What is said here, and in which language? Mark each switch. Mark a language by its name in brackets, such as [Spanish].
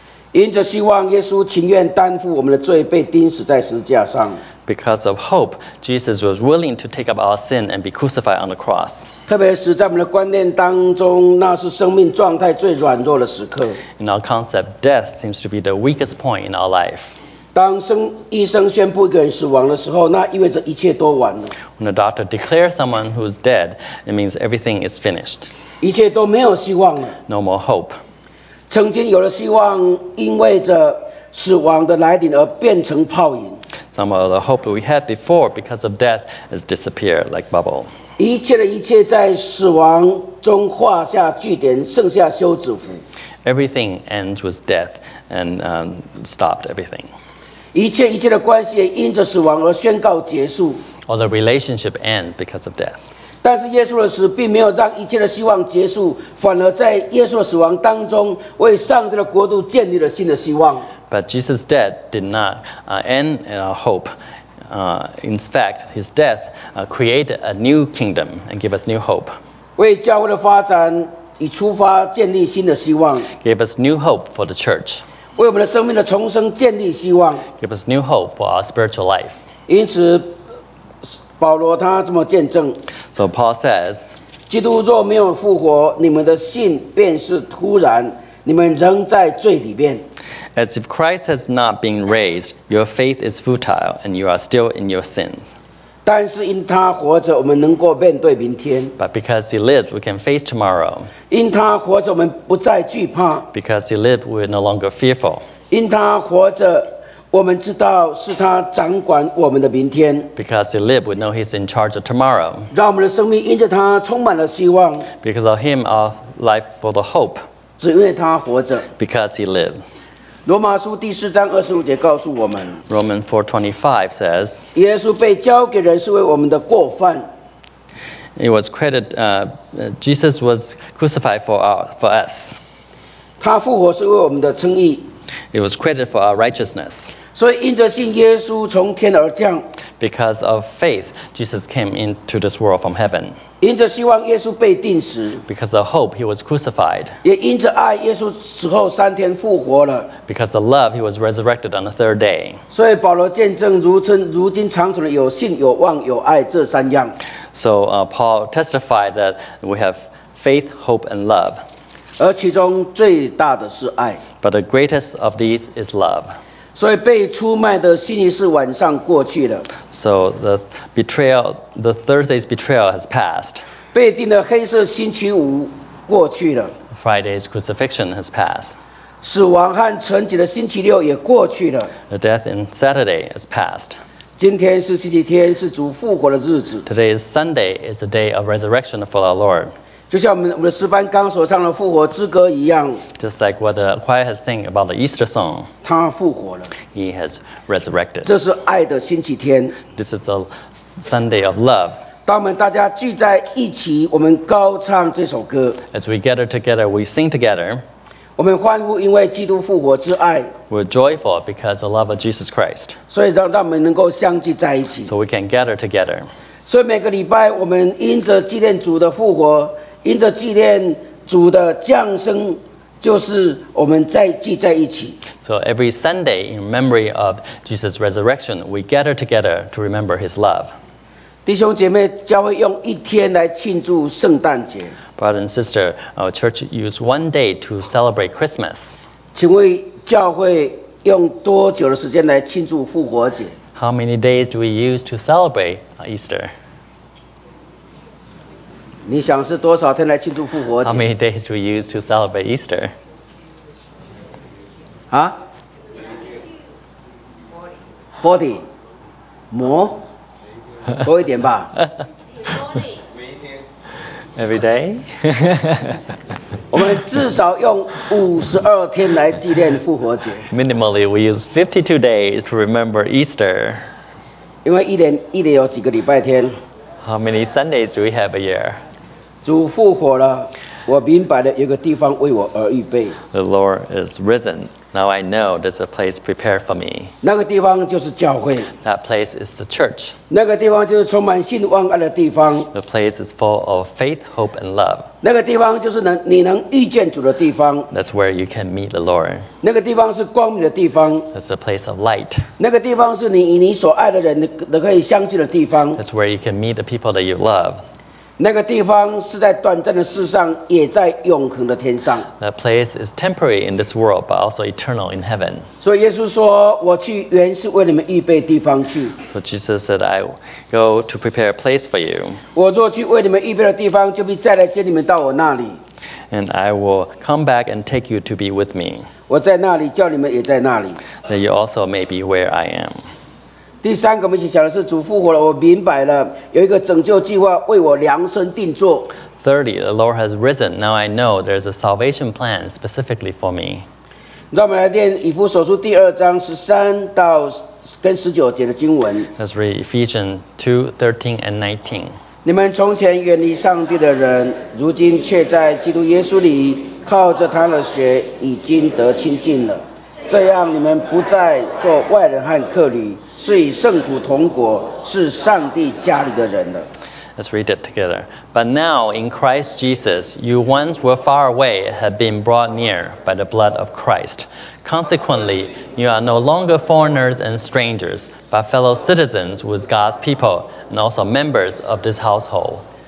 [Chinese] 因着希望，耶稣情愿担负我们的罪，被钉死在十字架上。 [English] Because of hope, Jesus was willing to take up our sin and be crucified on the cross. [Chinese] 特别是在我们的观念当中，那是生命状态最软弱的时刻。 [English] In our concept, death seems to be the weakest point in our life. [Chinese] 当医生宣布一个人死亡的时候，那意味着一切都完了。 [English] When a doctor declares someone who is dead, it means everything is finished. [Chinese] 一切都没有希望了。 [English] No more hope. [Chinese] 曾经有了希望，因为着死亡的来临而变成泡影。 [English] Some of the hope we had before because of death has disappeared like bubble. [Chinese] 一切的一切在死亡中画下句点，剩下休止符。 [English] Everything ends with death and stopped everything. [Chinese] 一切一切的关系也因着死亡而宣告结束。 [English] All the relationship ends because of death. [Chinese] 但是耶稣的死并没有让一切的希望结束，反而在耶稣的死亡当中，为上帝的国度建立了新的希望。 [English] But Jesus' death did not end our hope. in fact, his death created a new kingdom and gave us new hope. [Chinese] 为教会的发展以出发建立新的希望。 [English] Gave us new hope for the church. [Chinese] 为我们的生命的重生建立希望。 [English] Gave us new hope for our spiritual life. [Chinese] 因此，保罗他这么见证。 [English] So Paul says, [Chinese] 基督若没有复活，你们的信便是徒然，你们仍在罪里边。 [English] As if Christ has not been raised, your faith is futile and you are still in your sins. [Chinese] 但是因他活着，我们能够面对明天。 [English] But because he lived, we can face tomorrow. [Chinese] 因他活着，我们不再惧怕。 [English] Because he lived, we are no longer fearful. [Chinese] 因他活着，我们知道是他掌管我们的明天。 [English] Because he lived, we know he's in charge of tomorrow. [Chinese] 让我们的生命因着他充满了希望。 [English] Because of him, our life full of hope. [Chinese] 只因为他活着。 [English] Because he lives. [Chinese] 罗马书第四章二十五节告诉我们 [English] Romans 4:25 says [Chinese] 耶稣被交给人是为我们的过犯 [English] It was credited, Jesus was crucified for us [Chinese] 他复活是为我们的称义 [English] It was credited for our righteousness [Chinese] 所以因着信耶稣从天而降 [English] Because of faith, Jesus came into this world from heaven [Chinese] 因着希望耶稣被钉死 [English] Because of hope, he was crucified [Chinese] 也因着爱耶稣死后三天复活了 [English] Because of love, he was resurrected on the third day. [Chinese] 所以保罗见证如今长存的有信、有望、有爱这三样。 [English] So Paul testified that we have faith, hope, and love. [Chinese] 而其中最大的是爱。 [English] But the greatest of these is love. [Chinese] 所以被出卖的星期四晚上过去了。 [English] So the betrayal, the Thursday's betrayal has passed. [Chinese] 被钉的黑色星期五过去了。 [English] Friday's crucifixion has passed. [Chinese] 死亡和沉寂的星期六也过去了。 [English] The death in Saturday is past. [Chinese] 今天是星期天，是主复活的日子。 [English] Today is Sunday, is the day of resurrection for our Lord. [Chinese] 就像我们的诗班刚所唱的复活之歌一样。 [English] Just like what the choir has sing about the Easter song. [Chinese] 他复活了。 [English] He has resurrected. [Chinese] 这是爱的星期天。 [English] This is a Sunday of love. [Chinese] 当我们大家聚在一起，我们高唱这首歌。 [English] As we gather together, we sing together. [Chinese] 我们欢呼，因为基督复活之爱。 [English] We're joyful because of the love of Jesus Christ. [Chinese] 所以让我们能够相聚在一起。 [English] So we can gather together. [Chinese] 所以每个礼拜，我们因着纪念主的复活，因着纪念主的降生，就是我们再聚在一起。 [English] So every Sunday, in memory of Jesus' resurrection, we gather together to remember His love. [Chinese] 弟兄姐妹，教会用一天来庆祝圣诞节。 [English] Brother and sister, our church use one day to celebrate Christmas. [Chinese] 请问教会用多久的时间来庆祝复活节 [English] ？How many days do we use to celebrate Easter? [Chinese] 你想是多少天来庆祝复活节 [English] ？How many days do we use to celebrate Easter? 啊 ？Forty. More? [Chinese] 多一点吧。 [English] Every day. [Chinese] 我们至少用五十二天来纪念复活节。 [English] Minimally, we use 52 days to remember Easter. [Chinese] 因为一年有几个礼拜天。 [English] How many Sundays do we have a year? [Chinese] 主复活了，我明白了，有个地方为我而预备。 [English] The Lord is risen. Now I know there's a place prepared for me. [Chinese] 那个地方就是教会。 [English] That place is the church. [Chinese] 那个地方就是充满信望爱的地方。 [English] The place is full of faith, hope, and love. [Chinese] 那个地方就是你能遇见主的地方。 [English] That's where you can meet the Lord. [Chinese] 那个地方是光明的地方。 [English] That's a place of light. [Chinese] 那个地方是你所爱的人可以相聚的地方。 [English] That's where you can meet the people that you love. [Chinese] 那个地方是在短暂的世上，也在永恒的天上。 [English] That place is temporary in this world, but also eternal in heaven. [Chinese] 所以耶稣说，我去原是为你们预备地方去。 [English] So Jesus said, I go to prepare a place for you. [Chinese] 我若去为你们预备的地方，就必再来接你们到我那里。 [English] And I will come back and take you to be with me. [Chinese] 我在那里，叫你们也在那里。 [English] That you also may be where I am. [Chinese] 第三个我们一起想的是主复活了，我明白了，有一个拯救计划为我量身定做。 [English] Thirdly, the Lord has risen. Now I know there's a salvation plan specifically for me. [Chinese] 让我们来念以弗所书第二章十三到跟十九节的经文。 [English] Let's read Ephesians 2:13 and 19. [Chinese] 你们从前远离上帝的人，如今却在基督耶稣里靠着他的血已经得清净了。这样你们不再做外人和客旅，是与圣徒同国，是上帝家里的人了。 [English] Let's read it together. But now, in Christ Jesus, you once were far away, have been brought near by the blood of Christ. Consequently, you are no longer foreigners and strangers, but fellow citizens with God's people, and also members of this household.